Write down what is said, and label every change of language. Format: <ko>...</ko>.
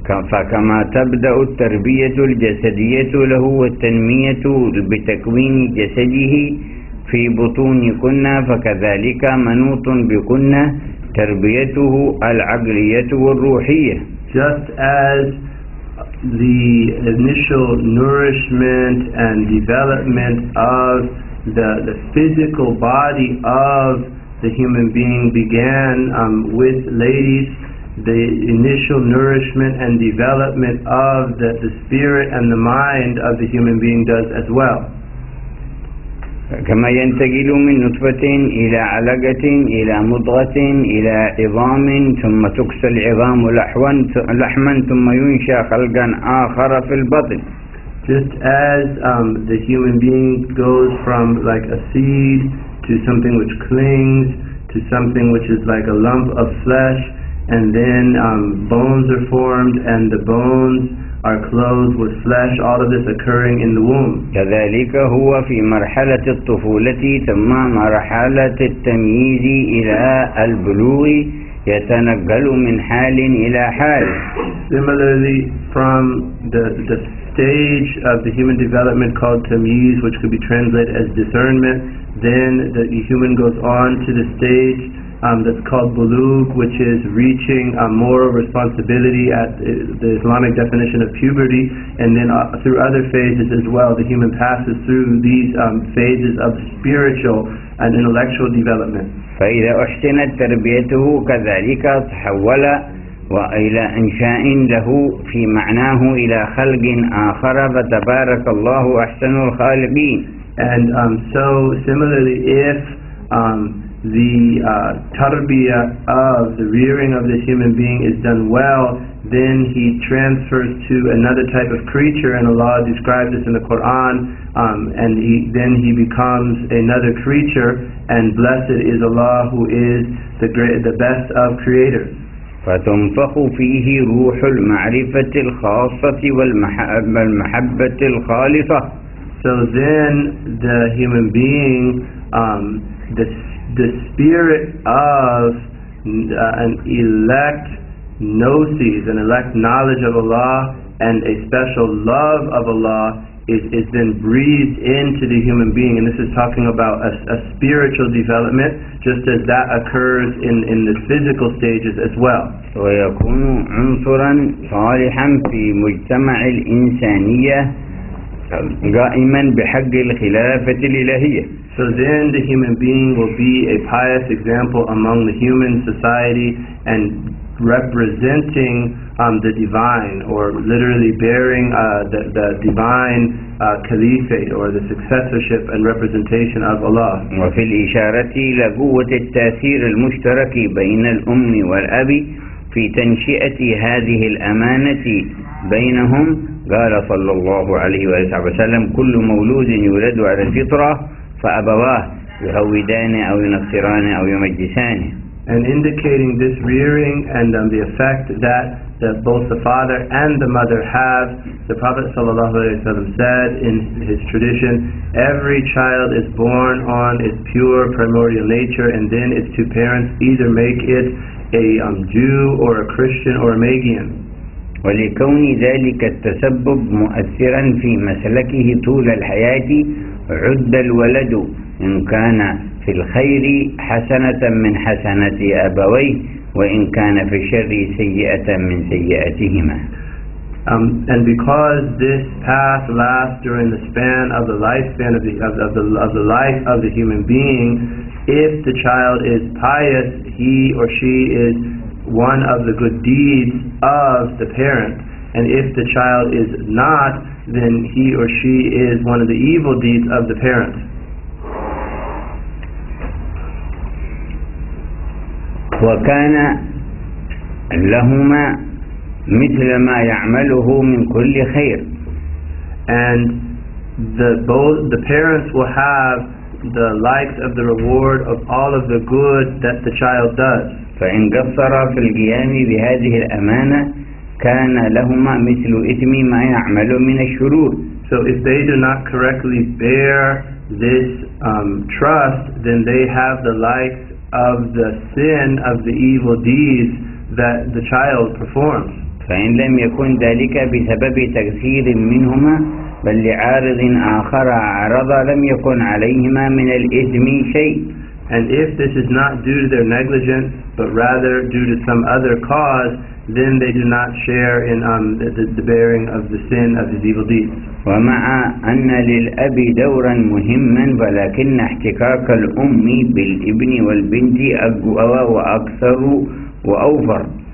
<ar>فكما تبدأ التربية الجسدية له والتنمية بتكوين جسده في بطون كنا فكذلك منوط بكنا تربيته العقلية والروحية.</ar> <en>Just as the initial nourishment and development of the physical body of the human being began with ladies, the initial nourishment and development of the spirit and the mind of the human being does as well.</en> <ar>كما ينتقل من نطفة إلى علقة إلى مضغة إلى عظام ثم تكسى العظام لحما ثم ينشأ خلقا آخر في البطن.</ar> <en>Just as the human being goes from like a seed to something which clings to something which is like a lump of flesh, and then bones are formed and the bones are clothed with flesh, all of this occurring in the womb.</en> <ar>كذلك هو في مرحلة الطفولة ثم مرحلة التمييز إلى البلوغ يتنقل من حال إلى حال.</ar> <en>Similarly, from the stage of the human development called tamyiz, which could be translated as discernment, then the human goes on to the stage that's called bulugh, which is reaching a moral responsibility at the Islamic definition of puberty, and then through other phases as well, the human passes through these phases of spiritual and intellectual development.</en> <ar>فإذا أحسنت تربيته كذلك تحول وإلى إنشاء له في معناه إلى خلق آخر فتبارك الله أحسن الخالقين.</ar> <en>And so similarly, if the tarbiyah of the rearing of this human being is done well, then he transfers to another type of creature, and Allah describes this in the Quran, and then he becomes another creature, and blessed is Allah who is the great, the best of creators.</en> <ar>فتنفخ فيه روح المعرفة الخاصة والمحبة الخالصة.</ar> <en>So then the human being, the spirit of an elect gnosis, an elect knowledge of Allah, and a special love of Allah is then breathed into the human being. And this is talking about a spiritual development, just as that occurs in the physical stages as well.</en> <ar>ويكون عنصرا صالحا في مجتمع الإنسانية قائما بحق الخلافة الإلهية.</ar> <en>So then the human being will be a pious example among the human society and representing the divine, or literally bearing the divine caliphate or the successorship and representation of Allah.</en> <ar>وفي الإشارة إلى قوة التأثير المشترك بين الأم والأب في تنشئة هذه الأمانة بينهم قال صلى الله عليه وسلم كل مولود يولد على الفطرة فأبواه يهودان أو ينصران أو يمجسان.</ar> <en>And indicating this rearing and the effect that both the father and the mother have, the Prophet</en> <ar>sallallahu alaihi wasallam</ar> <en>said in his tradition, every child is born on its pure primordial nature, and then its two parents either make it a Jew or a Christian or a Magian.</en> <ar>ولكون ذلك التسبب مؤثرا في مسلكه طول الحياة عد الولد إن كان في الخير حسنة من حسنات أبويه وإن كان في الشر سيئة من سيئاتهما.</ar> <en>And because this path lasts during the span of the lifespan of the life of the human being, if the child is pious, he or she is one of the good deeds of the parent. And if the child is not, then he or she is one of the evil deeds of the parent.</en> <ar>وكان لهما مثل ما يعمله من كل خير.</ar> <en>And both the parents will have the likes of the reward of all of the good that the child does.</en> <ar>فإن قصر في القيام بهذه الأمانة كان لهما مثل إثم ما يعمل من الشرور.</ar> <en>So if they do not correctly bear this trust, then they have the likes of the sin of the evil deeds that the child performs.</en> <ar>فإن لم يكن ذلك بسبب تقصير منهما بل لعارض آخر عرض لم يكن عليهما من الإثم شيء.</ar> <en>And if this is not due to their negligence but rather due to some other cause, then they do not share in the bearing of the sin of his evil deeds.</en> <ar>ومع أن للأب دورا مهما ولكن احتكاك الأم بالابن والبنت أقوى وأكثر وأوفر.</ar>